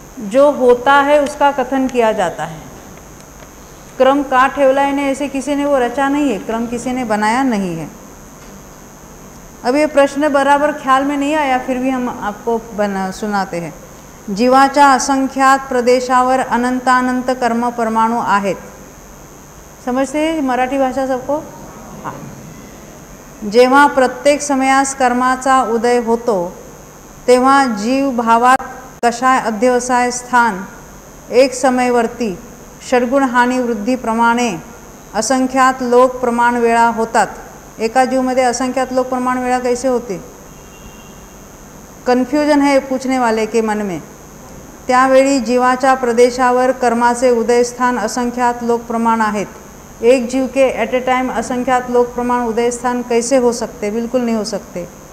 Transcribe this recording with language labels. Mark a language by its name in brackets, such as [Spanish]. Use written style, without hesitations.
[Hindi] जो होता है उसका कथन किया जाता है, क्रम का ठेवला इन्हें ऐसे किसी ने वो रचा नहीं है, क्रम किसी ने बनाया नहीं है। अब ये प्रश्न बराबर ख्याल में नहीं आया, फिर भी हम आपको सुनाते हैं। [Marathi] जीवाचा असंख्यात प्रदेशावर अनंतानंत कर्म परमाणु आहेत, [Hindi] समझते हैं मराठी भाषा सबको, [Marathi] जेव्हा प्रत्येक समयास कर्माचा उदय होतो तेव्हा जीव भावात कषाय अध्यवसाय स्थान एक समयवर्ती षडगुण हानी वृद्धी प्रमाणे असंख्यात लोक प्रमाण वेळा होतात। एका जीवमध्ये असंख्यात लोक प्रमाण वेळा कैसे होते, [Hindi] कन्फ्यूजन है पूछने वाले के मन में, [Marathi] त्यावेळी जीवाचा प्रदेशावर कर्माचे उदय स्थान असंख्यात लोक प्रमाण आहेत। [Hindi] एक जीव के ऐट ए टाइम असंख्यात लोक प्रमाण उदय स्थान कैसे हो सकते, बिल्कुल नहीं हो सकते।